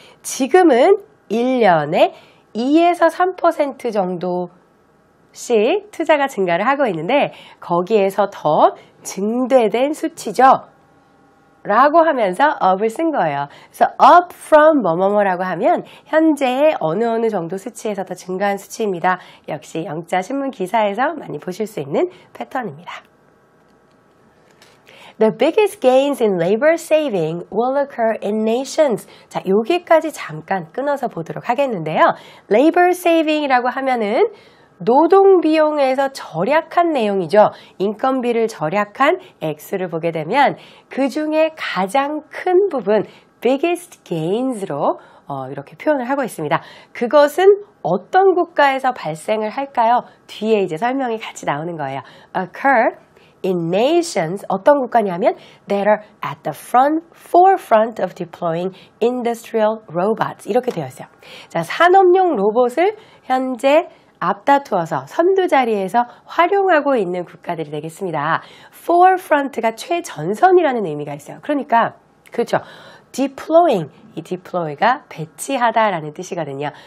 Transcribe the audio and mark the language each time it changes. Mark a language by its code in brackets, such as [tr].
[ko] 지금은 1년에 2에서 3% 정도씩 투자가 증가를 하고 있는데 거기에서 더 증대된 수치죠. 라고 하면서 up을 쓴 거예요. 그래서 up from 뭐뭐뭐라고 하면 현재의 어느 어느 정도 수치에서 더 증가한 수치입니다. 역시 영자신문 기사에서 많이 보실 수 있는 패턴입니다. [en] The biggest gains in labor saving will occur in nations. [ko] 자, 여기까지 잠깐 끊어서 보도록 하겠는데요. labor saving이라고 하면은 노동비용에서 절약한 내용이죠. 인건비를 절약한 액수를 보게 되면 그 중에 가장 큰 부분, biggest gains로 이렇게 표현을 하고 있습니다. 그것은 어떤 국가에서 발생을 할까요? 뒤에 이제 설명이 같이 나오는 거예요. [en] occur in nations, [ko] 어떤 국가냐면 [en] that are at the front, forefront of deploying industrial robots. [ko] 이렇게 되어 있어요. 자, 산업용 로봇을 현재 앞다투어서 선두자리에서 활용하고 있는 국가들이 되겠습니다. forefront가 최전선이라는 의미가 있어요. 그러니까, 그렇죠. deploying, 이 deploy가 배치하다라는 뜻이거든요.